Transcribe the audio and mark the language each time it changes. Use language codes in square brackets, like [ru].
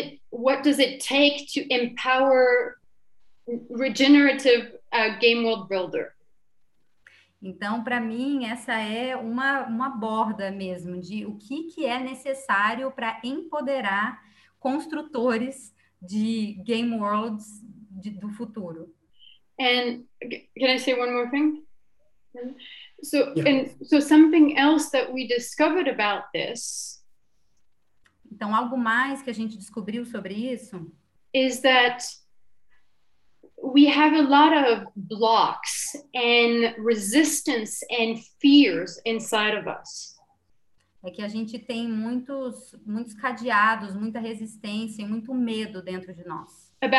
[en] What does it take to empower regenerative game world builder? [pt] Então, para mim, essa é uma borda mesmo de o que é necessário para empoderar construtores de game worlds do futuro. [en] And can I say one more thing? So, yeah. And so something else that we discovered about this. [pt] Então, algo mais que a gente descobriu sobre isso [en] is that we have a lot of blocks and resistance and fears inside of us. [pt] É que a gente tem muitos cadeados, muita resistência e muito medo dentro de nós.